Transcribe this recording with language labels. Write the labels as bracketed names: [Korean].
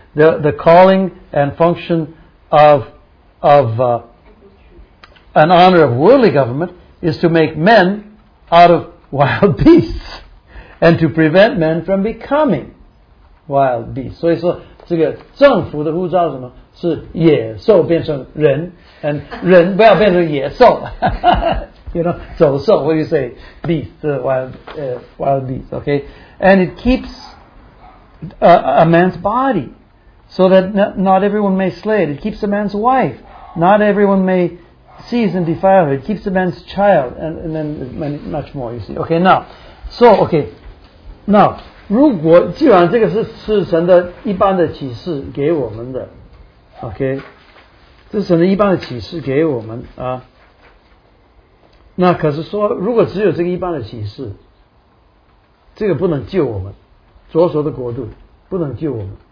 [English] The calling and function of an honor of worldly government is to make men out of wild beasts and to prevent men from becoming wild beasts. [Chinese] 所以说这个政府的呼召是什么？是野兽变成人， [English] and [Chinese] 人不要变成野兽。 [English] You know, [Chinese] 走兽 [English] what do you say? Beast, wild beast, okay? And it keeps a man's body, so that not everyone may slay it. It keeps a man's wife, not everyone may seize and defile her. It keeps a man's child, and then many, much more. You see, okay. Now, so okay. [Chinese] Now, 如果既然这个是神的一般的启示给我们的 ，okay， 这是神的一般的启示给我们啊。那可是说，如果只有这个一般的启示，这个不能救我们，左手的国度不能救我们。